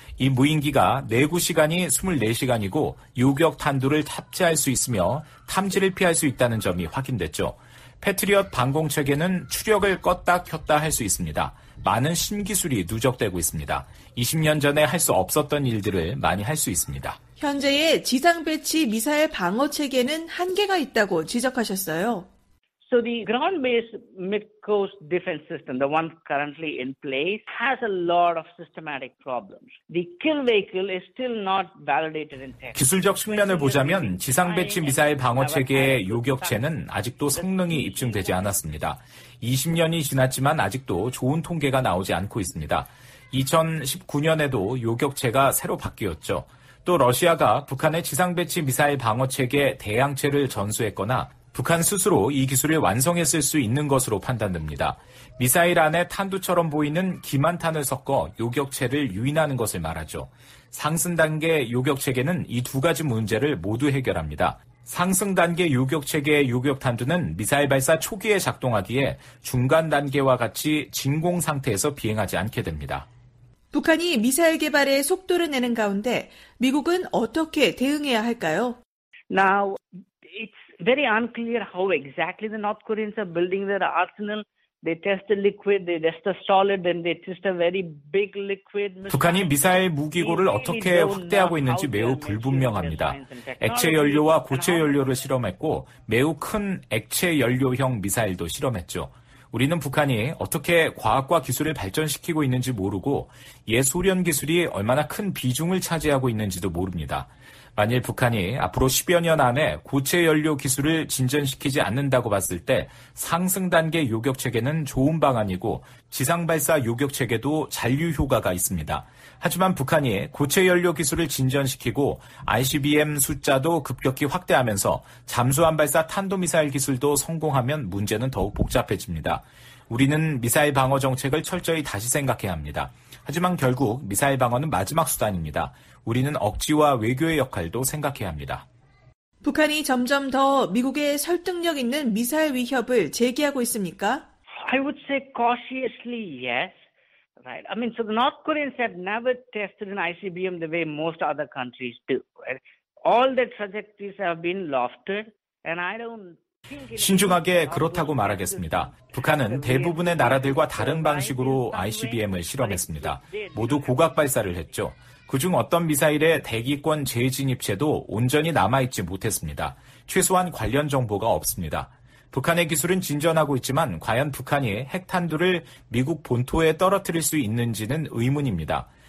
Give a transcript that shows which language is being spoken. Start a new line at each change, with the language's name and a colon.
Korean: 이 무인기가 내구 시간이 24시간이고 요격탄두를 탑재할 수 있으며 탐지를 피할 수 있다는 점이 확인됐죠. 패트리엇 방공체계는 추력을 껐다 켰다 할 수 있습니다. 많은 신기술이 누적되고 있습니다. 20년 전에 할 수 없었던 일들을 많이 할 수 있습니다. 현재의 지상 배치 미사일 방어체계는 한계가 있다고 지적하셨어요.
English: So the ground-based mid-coast defense system, the one currently in place, has a lot of systematic problems. The kill vehicle is still not validated in test.
Korean: 기술적 측면을 보자면 지상 배치 미사일 방어 체계의 요격체는 아직도 성능이 입증되지 않았습니다. 20년이 지났지만 아직도 좋은 통계가 나오지 않고 있습니다. 2019년에도 요격체가 새로 바뀌었죠. 또 러시아가 북한의 지상 배치 미사일 방어 체계 대양체를 전수했거나 북한 스스로 이 기술을 완성했을 수 있는 것으로 판단됩니다. 미사일 안에 탄두처럼 보이는 기만탄을 섞어 요격체를 유인하는 것을 말하죠. 상승 단계 요격체계는 이 두 가지 문제를 모두 해결합니다. 상승 단계 요격체계의 요격탄두는 미사일 발사 초기에 작동하기에 중간 단계와 같이 진공 상태에서 비행하지 않게 됩니다. 북한이 미사일 개발에 속도를 내는 가운데 미국은 어떻게 대응해야 할까요?
English: Now, it's very unclear how exactly the North Koreans are building their arsenal. They test the liquid, they test the solid, then they test a very big liquid.
Korean: 북한이 미사일 무기고를 어떻게 확대하고 있는지 매우 불분명합니다. 액체 연료와 고체 연료를 실험했고 매우 큰 액체 연료형 미사일도 실험했죠. 우리는 북한이 어떻게 과학과 기술을 발전시키고 있는지 모르고 예소련 기술이 얼마나 큰 비중을 차지하고 있는지도 모릅니다. 만일 북한이 앞으로 10여 년 안에 고체 연료 기술을 진전시키지 않는다고 봤을 때 상승 단계 요격 체계는 좋은 방안이고 지상 발사 요격 체계도 잔류 효과가 있습니다. 하지만 북한이 고체 연료 기술을 진전시키고 ICBM 숫자도 급격히 확대하면서 잠수함 발사 탄도미사일 기술도 성공하면 문제는 더욱 복잡해집니다. 우리는 미사일 방어 정책을 철저히 다시 생각해야 합니다. 하지만 결국 미사일 방어는 마지막 수단입니다. 우리는 억지와 외교의 역할도 생각해야 합니다. 북한이 점점 더 미국의 설득력 있는 미사일 위협을 제기하고 있습니까?
English: I would say cautiously yes. Right. I mean, so the North Koreans have never tested an ICBM the way most other countries do. All the trajectories have been lofted, and I don't.
Korean: 신중하게 그렇다고 말하겠습니다. 북한은 대부분의 나라들과 다른 방식으로 ICBM을 실험했습니다. 모두 고각 발사를 했죠. 그중 어떤 미사일의 대기권 재진입체도 온전히 남아있지 못했습니다. 최소한 관련 정보가 없습니다. 북한의 기술은 진전하고 있지만 과연 북한이 핵탄두를 미국 본토에 떨어뜨릴 수 있는지는 의문입니다.